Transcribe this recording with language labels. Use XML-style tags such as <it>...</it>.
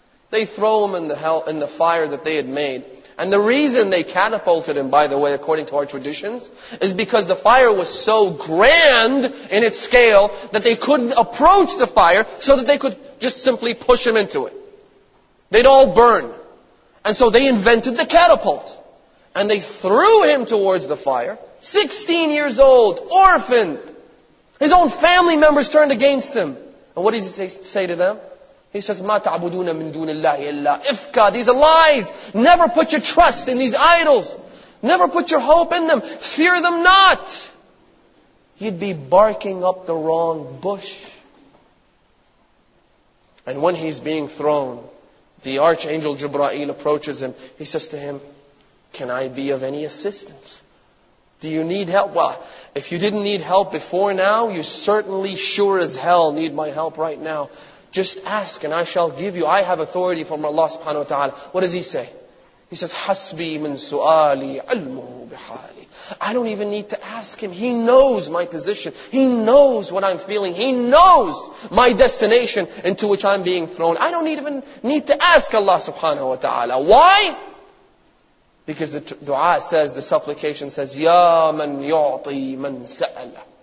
<en>They throw him in the hell, in the fire that they had made. And the reason they catapulted him, by the way, according to our traditions, is because the fire was so grand in its scale that they couldn't approach the fire so that they could just simply push him into it. They'd all burn. And so they invented the catapult. And they threw him towards the fire. 16 years old, orphaned. His own family members turned against him. And what does he say to them? He says,</en> <ar>مَا تَعْبُدُونَ مِن دُونِ اللَّهِ إِلَّا إِفْكَ.</ar> <en>These are lies. Never put your trust in these idols. Never put your hope in them. Fear them not. You'd be barking up the wrong bush. And when he's being thrown, the archangel Jibra'il approaches him. He says to him, can I be of any assistance? Do you need help? Well, if you didn't need help before now, you certainly sure as hell need my help right now. Just ask and I shall give you. I have authority from Allah subhanahu wa ta'ala. What does he say? He says,</en> <ar>حَسْبِي مِن سُؤَالِي عَلْمُهُ بِحَالِي.</ar> <en>I don't even need to ask him. He knows my position. He knows what I'm feeling. He knows my destination into which I'm being thrown. I don't even need to ask Allah subhanahu wa ta'ala. Why? Because the dua says, the supplication says,</en> <ar>يَا مَنْ يُعْطِي مَنْ سَأَلَ.</ar>